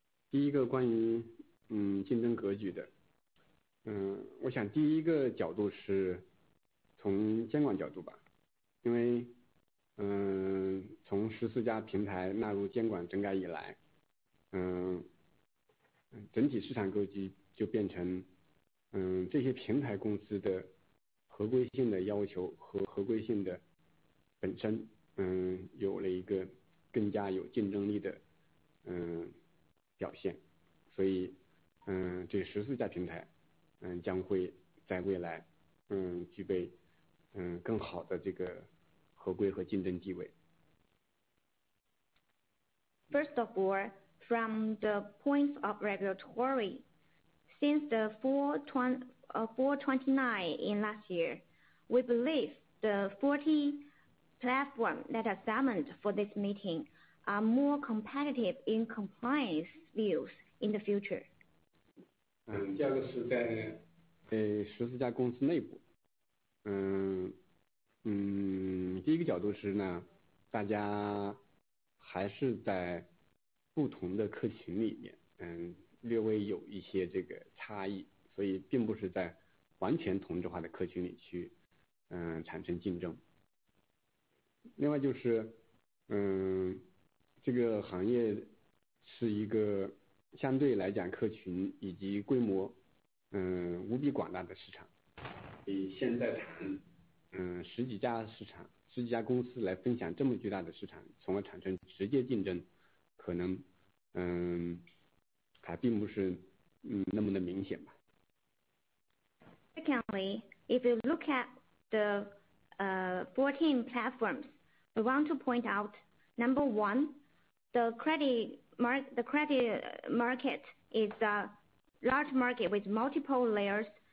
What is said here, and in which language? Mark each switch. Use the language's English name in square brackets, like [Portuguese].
[Chinese] 第一个关于竞争格局的，我想第一个角度是从监管角度吧，因为从14家平台纳入监管整改以来，整体市场格局就变成这些平台公司的合规性的要求和合规性的本身有了一个更加有竞争力的表现，所以这14家平台将会在未来具备更好的这个合规和竞争地位。 [English] First of all, from the points of regulatory, since the 429 in last year, we believe the 40platform that are summoned for this meeting are more competitive in compliance views in the future. [Chinese] 第二个是在 14家公司内部。第一个角度是呢，大家还是在不同的客群里面，略微有一些这个差异，所以并不是在完全同质化的客群里去产生竞争。另外就是这个行业是一个相对来讲客群以及规模无比广大的市场，以现在谈十几家市场十几家公司来分享这么巨大的市场，从而产生直接竞争，可能还并不是那么的明显吧。 [English] Secondly, if you look at the 14 platformsWe want to point out, number one, the credit market is a large market with multiple layers.